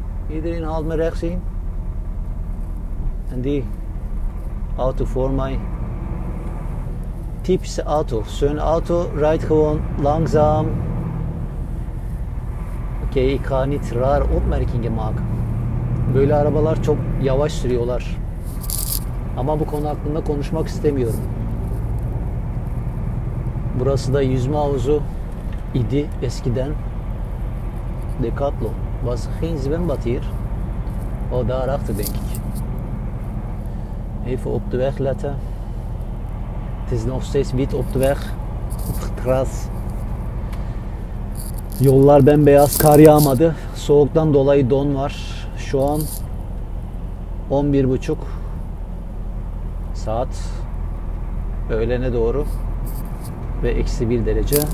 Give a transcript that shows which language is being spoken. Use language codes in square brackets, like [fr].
[nl] Iedereen haalt me rechts in. En die auto voor mij. Typische auto. Zo'n auto rijdt gewoon langzaam. Oké, okay, ik ga niet raar opmerkingen maken. [tr] Böyle arabalar çok yavaş sürüyorlar. Ama bu konu hakkında konuşmak istemiyorum. Burası da yüzme havuzu idi eskiden. [nl] Decathlon. Was geen zwembad hier. O, daarachter denk ik. Even op de weg letten. Het is nog steeds wit op de weg. Op het gras. [tr] Yollar bembeyaz, kar yağmadı. Soğuktan dolayı don var. Şu an 11.30 saat öğlene doğru ve eksi 1 derece.